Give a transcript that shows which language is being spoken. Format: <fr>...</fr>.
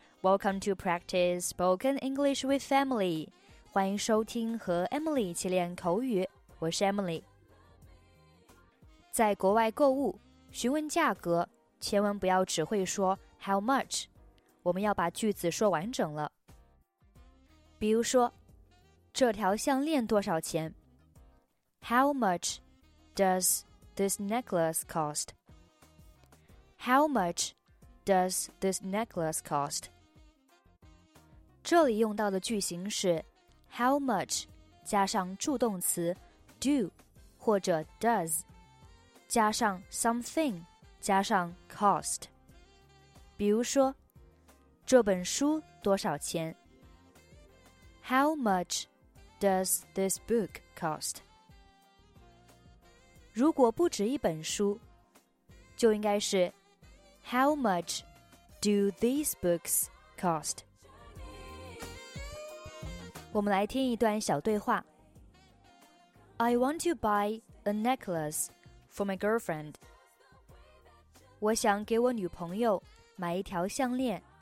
<en>Welcome to Practice Spoken English with Emily.</en> <zh>欢迎收听和 Emily 一起练口语。我是 Emily。在国外购物，询问价格，千万不要只会说 how much。我们要把句子说完整了。比如说，这条项链多少钱？</zh> <en>How much does this necklace cost? How much does this necklace cost?</en> <zh>这里用到的句型是 how much 加上助动词 do 或者 does 加上 something 加上 cost. 比如说，这本书多少钱？</zh> <en>How much does this book cost?</en> <zh>如果不止一本书，就应该是</zh> <en>How much do these books cost?</en> <zh>我们来听一段小对话。</zh> <en>I want to buy a necklace for my girlfriend.</en> <zh>我想给我女朋友买一条项链。</zh>